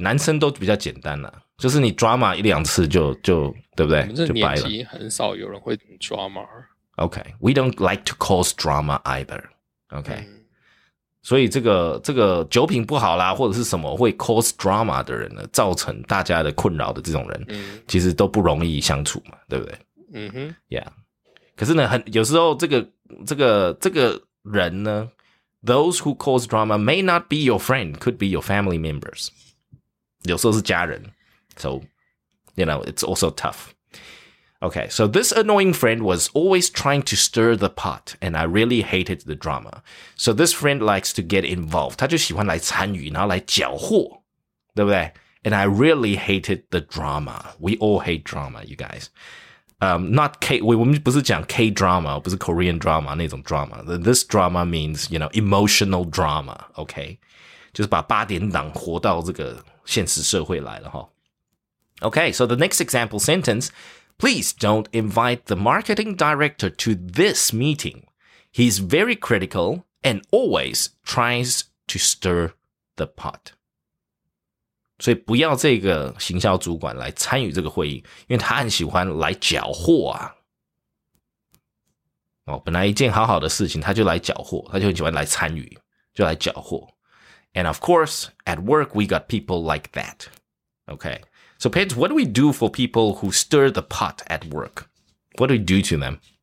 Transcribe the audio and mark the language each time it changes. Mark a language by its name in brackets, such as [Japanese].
[Chinese] 男生都比较简单啦，就是你 drama 一两次就对不对？我们这年纪很少有人会 drama. [English] Okay, we don't like to cause drama either. [Chinese] Okay, 所以这个酒品不好啦，或者是什么会 cause drama 的人呢，造成大家的困扰的这种人，其实都不容易相处嘛，对不对？ [English] Yeah. [Chinese] 可是呢，很有时候这个人呢 [English] ，those who cause drama may not be your friend, could be your family members. [Chinese] 有时候是家人 ， [English] so you know it's also tough. Okay, so this annoying friend was always trying to stir the pot, and I really hated the drama. So this friend likes to get involved. [Chinese] 他就喜欢来参与，然后来搅和，对不对 [English] ？And I really hated the drama. We all hate drama, you guys. Not K, [Chinese] 我们不是讲 [English] K-drama, 不是 Korean drama, 那种 drama. This drama means, you know, emotional drama, okay? [Chinese] 就是把八点档活到这个现实社会来了齁。 [English] Okay, so the next example sentence, please don't invite the marketing director to this meeting. He's very critical and always tries to stir the pot. [Chinese] 所以不要这个行销主管来参与这个会议，因为他很喜欢来搅和啊。哦，本来一件好好的事情，他就来搅和，他就很喜欢来参与，就来搅和。 [English] And of course, at work, we got people like that. Okay. So, Pets, what do we do for people who stir the pot at work? What do we do to them?